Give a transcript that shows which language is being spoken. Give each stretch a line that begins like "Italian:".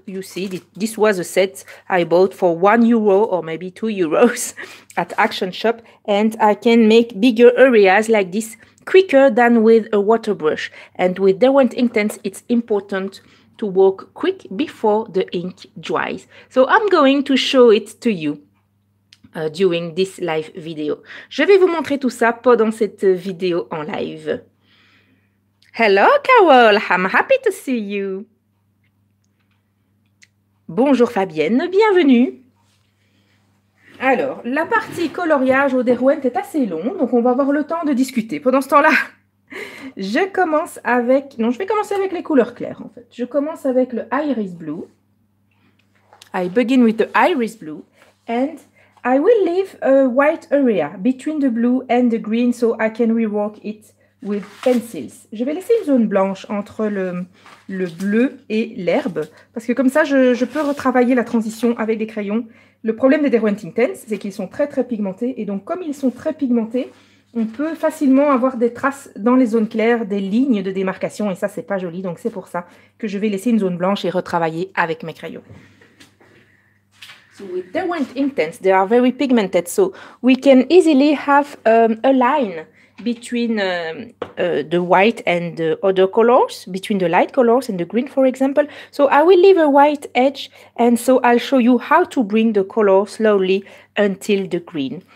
English: You see, this was a set I bought for 1 euro or maybe 2 euros at Action Shop, and I can make bigger areas like this quicker than with a water brush. And with Derwent Intense, it's important to work quick before the ink dries. So I'm going to show it to you during this live video.
French: Je vais vous montrer tout ça pendant cette vidéo en live.
English: Hello, Carol. I'm happy to see you.
French: Bonjour, Fabienne. Bienvenue. Alors, la partie coloriage au Derwent est assez longue, donc on va avoir le temps de discuter. Pendant ce temps-là, je commence avec... Non, je vais commencer avec les couleurs claires, en fait. Je commence avec le Iris Blue.
English: I begin with the Iris Blue. And I will leave a white area between the blue and the green so I can rework it with pencils.
French: Je vais laisser une zone blanche entre le bleu et l'herbe parce que comme ça je peux retravailler la transition avec des crayons. Le problème des Derwent Intense, c'est qu'ils sont très très pigmentés et donc comme ils sont très pigmentés, on peut facilement avoir des traces dans les zones claires, des lignes de démarcation et ça c'est pas joli, donc c'est pour ça que je vais laisser une zone blanche et retravailler avec mes crayons.
English: So with Derwent Intense, they are very pigmented, so we can easily have a line between the white and the other colors, between the light colors and the green, for example. So I will leave a white edge, and so I'll show you how to bring the color slowly until the green.